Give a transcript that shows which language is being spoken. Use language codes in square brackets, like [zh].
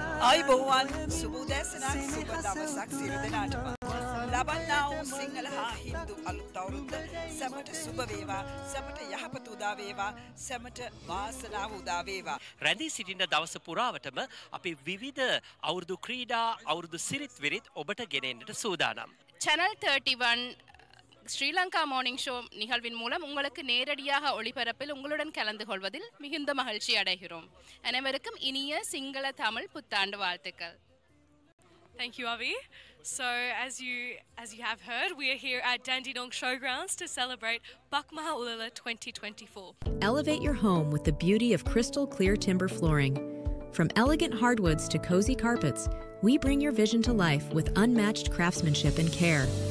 [si] අයිබෝවන් සුබෝදෑසනක් සුබ දවසක් සිරු දෙනාටම ලබන්නාවු සිංහල හා හින්දු අලුත් අවුරුද්ද සැමට සුභවේවා, සැමට යහපත උදාවේවා, සැමට වාසනාව උදාවේවා. රැඳී සිටින දවස පුරාවටම අපි විවිධ අවුරුදු ක්‍රීඩා අවුරුදු සිරිත් විරිත් ඔබට ගෙනෙන්නට සූදානම්. [ta] Channel 31 Sri Lanka morning show நிகழ்வின் மூலம் உங்களுக்கு நேரடியாக ஒளிபரப்பில் உங்களுடன் கலந்து கொள்வதில் மிகுந்த மகிழ்ச்சி அடைகிறோம். அனைவருக்கும் இனிய சிங்கள தமிழ் புத்தாண்டு வாழ்த்துக்கள். [en] Thank you, Avi. So as you have heard, we are here at Dandenong Showgrounds to celebrate Bakmaha Olela 2024. Elevate your home with the beauty of crystal clear timber flooring. From elegant hardwoods to cozy carpets, we bring your vision to life with unmatched craftsmanship and care.